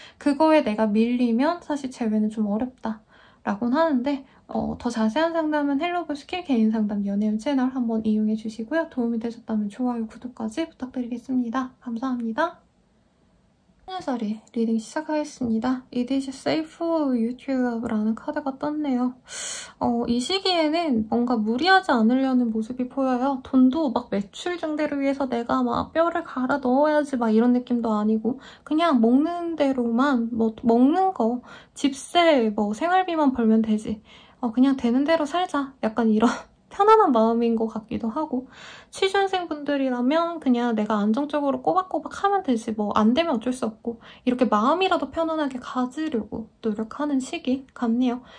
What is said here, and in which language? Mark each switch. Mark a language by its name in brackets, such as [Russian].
[Korean] 그거에 내가 밀리면 사실 재회는 좀 어렵다. 라곤 하는데, 더 자세한 상담은 헬로우 스킬 개인 상담 연예인 채널 한번 이용해 주시고요. 도움이 되셨다면 좋아요, 구독까지 부탁드리겠습니다. 감사합니다. 하늘살이 리딩 시작하겠습니다. [English] It is safe for you to love [Korean] 라는 카드가 떴네요. 이 시기에는 뭔가 무리하지 않으려는 모습이 보여요. 돈도 막 매출 증대를 위해서 내가 막 뼈를 갈아 넣어야지 막 이런 느낌도 아니고 그냥 먹는 대로만 뭐 먹는 거 집세 뭐 생활비만 벌면 되지. 그냥 되는 대로 살자. 약간 이런 편안한 마음인 것 같기도 하고 취준생 분들이라면 그냥 내가 안정적으로 꼬박꼬박 하면 되지 뭐안 되면 어쩔 수 없고 이렇게 마음이라도 편안하게 가지려고 노력하는 시기 같네요.